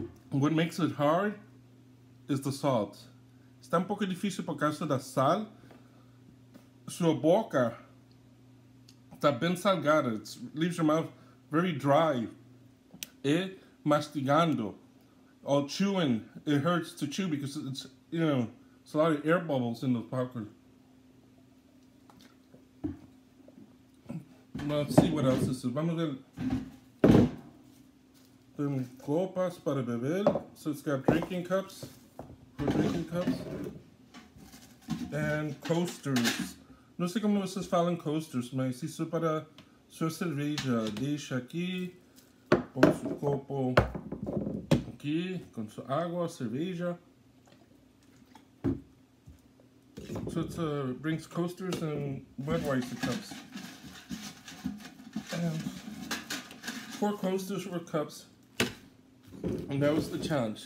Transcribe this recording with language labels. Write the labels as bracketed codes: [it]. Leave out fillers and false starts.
[en] What makes it hard is the salt. [pt] Está pouco difícil por causa da sal. Sua boca está bem salgada. [en] It leaves your mouth very dry. [pt] E mastigando [en] or chewing, it hurts to chew because it's, you know, it's a lot of air bubbles in the popcorn. Let's see what else this is. [pt] Vamos ver. Tem copas para beber. [en] So it's got drinking cups. For drinking cups. And coasters. [pt] Não sei como vocês falam coasters, mas isso para sua cerveja, deixa aqui, põe seu copo aqui, com sua água, cerveja. [en] So it brings coasters and Budweiser cups. And 4 coasters or cups. And that was the challenge.